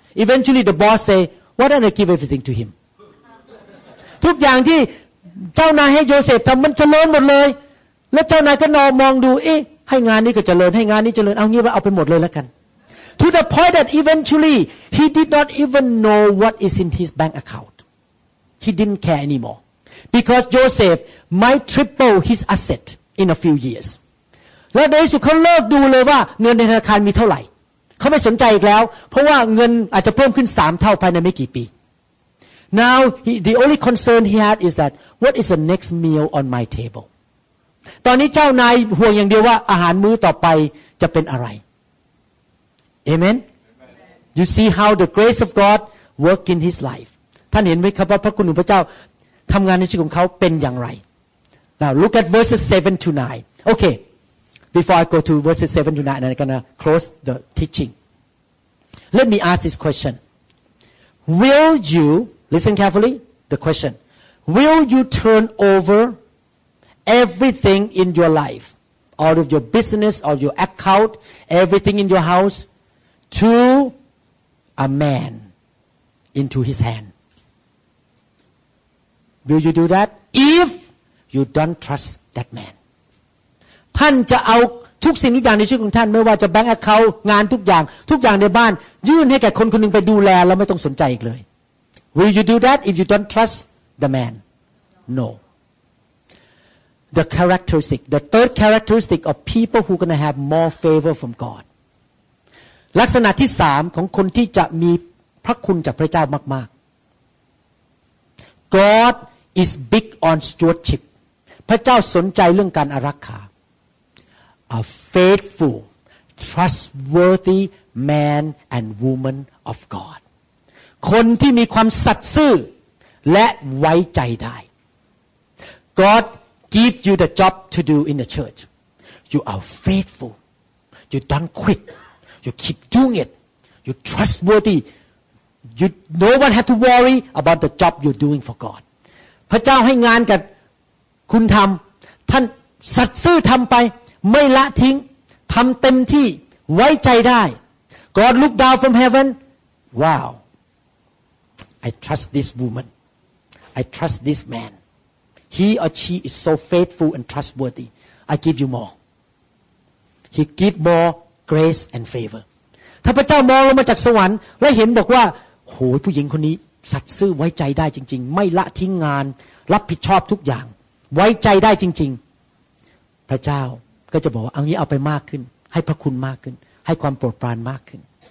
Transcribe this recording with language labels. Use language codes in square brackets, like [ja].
[en] Eventually the boss say, why don't I give everything to him? [th] ทุกอย่างที่เจ้านายให้โยเซฟทำมันเจริญหมดเลยแล้วเจ้านายก็นอนมองดูเอ๊ะให้งานนี้ก็เจริญให้งานนี้เจริญเอางี้ว่าเอาไปหมดเลยแล้วกัน [en] To the point that eventually he did not even know what is in his bank account. He didn't care anymore. Because Joseph might triple his assetin a few years [th] แล้วในที่สุดเขาเลิกดูเลยว่าเงินในธนาคารมีเท่าไหร่เขาไม่สนใจอีกแล้วเพราะว่าเงินอาจจะเพิ่มขึ้น3เท่าภายในไม่กี่ปี [en] Now the only concern he had is that what is the next meal on my table [th] ตอนนี้เจ้านายห่วงอย่างเดียวว่าอาหารมื้อต่อไปจะเป็นอะไร [en] Amen You see how the grace of God work in his life [th] ท่านเห็นไหมครับว่าพระคุณของพระเจ้าทำงานในชีวิตของเขาเป็นอย่างไร [en] Now look at verses 7 to 9. Okay, before I go to verses 7 to 9, and I'm going to close the teaching. Let me ask this question. Will you, listen carefully, the question. Will you turn over everything in your life, all of your business, all of your account, everything in your house, to a man into his hand? Will you do that? If... You don't trust that man. [th] ท่านจะเอาทุกสิ่งทุกอย่างในชีวิตของท่านไม่ว่าจะแบงก์แอคเคาท์งานทุกอย่างทุกอย่างในบ้านยื่นให้แก่คนคนนึงไปดูแลแล้วไม่ต้องสนใจอีกเลย [en] Will you do that if you don't trust the man? No. the characteristic, the third characteristic of people who are going to have more favor from God. [th] ลักษณะที่3ของคนที่จะมีพระคุณจากพระเจ้ามากๆ [en] God is big on stewardship. [th] พระเจ้าสนใจเรื่องการอารักขา [en] A faithful, trustworthy man and woman of God. [th] คนที่มีความสัตย์ซื่อและไว้ใจได้ [en] God give you the job to do in the church. You are faithful. You don't quit. You keep doing it. You're trustworthy. You, no one has to worry about the job you're doing for God. [th] พระเจ้าให้งานกับคุณทำท่านสัตย์ซื่อทำไปไม่ละทิ้งทำเต็มที่ไว้ใจได้ [en] God look down from heaven. Wow. I trust this woman. I trust this man. He or she is so faithful and trustworthy. I give you more. He give moregrace and favor [th] ถ้าพระเจ้ามองลงมาจากสวรรค์และเห็นบอกว่าโหผู้หญิงคนนี้สัตย์ซื่อไว้ใจได้จริงๆไม่ละทิ้งงานรับผิดชอบทุกอย่างไว้ใจได้จริงๆพระเจ้าก็จะบอกว่าเอางี้เอาไปมากขึ้นให้พระคุณมากขึ้นให้ความโปรดปรานมากขึ้น